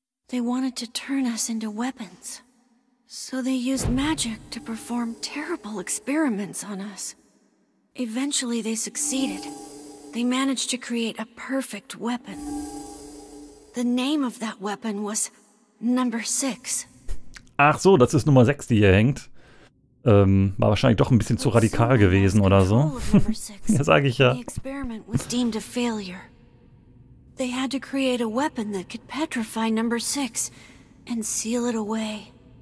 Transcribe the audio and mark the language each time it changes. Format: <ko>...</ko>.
<en>They wanted to turn us into weapons. So they used magic to perform terrible experiments on us. Eventually they succeeded. They managed to create a perfect weapon. The name of that weapon was Number 6.</en> <de>Ach so, das ist Nummer 6, die hier hängt. War wahrscheinlich doch ein bisschen zu radikal gewesen oder so. Ja, sag ich ja.</de> <en>The experiment was deemed a failure. They had to create a weapon that could petrify Number 6 and seal it away.</en>